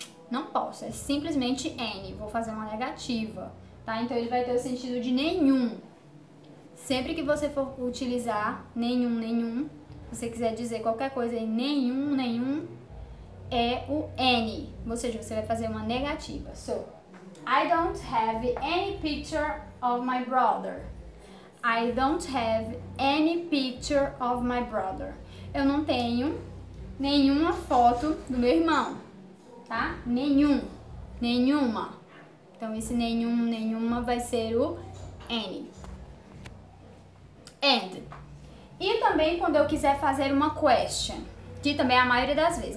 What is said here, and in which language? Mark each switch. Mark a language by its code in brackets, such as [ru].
[pt] Não posso, é simplesmente any. Vou fazer uma negativa, tá? Então, ele vai ter o sentido de nenhum. Sempre que você for utilizar nenhum, nenhum, você quiser dizer qualquer coisa em nenhum, nenhum, é o any. Ou seja, você vai fazer uma negativa. [en] So, I don't have any picture of my brother. I don't have any picture of my brother. [pt] Eu não tenho nenhuma foto do meu irmão. Tá? Nenhum. Nenhuma. Então, esse nenhum, nenhuma vai ser o any. And. E também quando eu quiser fazer uma question. Que também é a maioria das vezes.